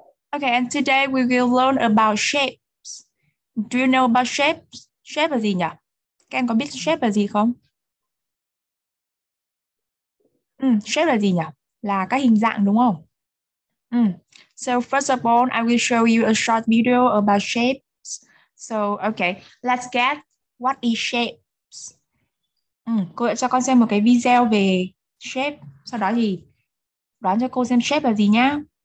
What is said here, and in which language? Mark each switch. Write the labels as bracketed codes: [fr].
[en] Okay, and today we will learn about shapes. Do you know about shapes? [vi] Shape là gì nhỉ? Các em có biết shape là gì không? Shape là gì nhỉ? Là các hình dạng đúng không? [en] So first of all, I will show you a short video about shapes. So, okay, let's get what is shapes. [vi] Cô sẽ cho con xem một cái video về shape. Sau đó thì đoán cho cô xem shape là gì nhá.